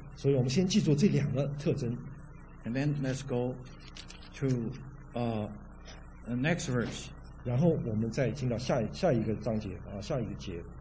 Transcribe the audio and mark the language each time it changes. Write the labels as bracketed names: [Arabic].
[Chinese] 所以我们先记住这两个特征。 [English] And then let's go to the next verse. [Chinese] 然后我们再进到下一个章节啊，下一个节。